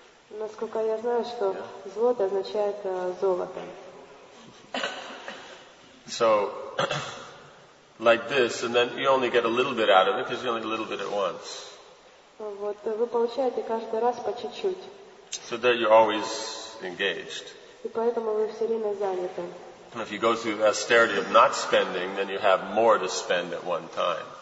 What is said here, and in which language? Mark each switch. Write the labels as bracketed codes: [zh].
[ru] Насколько я знаю, что злоты означает золото. [en] So, like this, and then you only get a little bit out of it because you only get a little bit at once. [ru] Вот вы получаете каждый раз по чуть-чуть. [en] So that you're always engaged. [ru] И поэтому вы все время заняты. [en] And if you go through the austerity of not spending, then you have more to spend at one time.